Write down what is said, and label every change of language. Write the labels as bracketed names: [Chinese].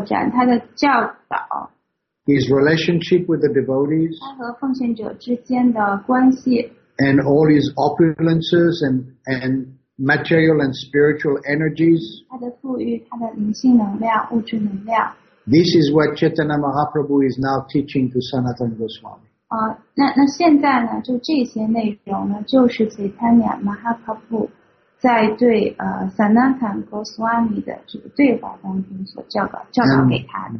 [Chinese] 他的这个物质世界的扩展，他的教导, [English] his relationship with the devotees, [Chinese] 他和奉献者之间的关系, [English] and all his opulences and material and spiritual energies. [Chinese] 他的富裕，他的灵性能量，物质能量。 [English] This is what Chaitanya Mahaprabhu is now teaching to Sanatana Goswami. [Chinese] 那现在呢，就这些内容呢，就是Chaitanya Mahaprabhu在对Sanatana Goswami的这个对话当中所教导给他的。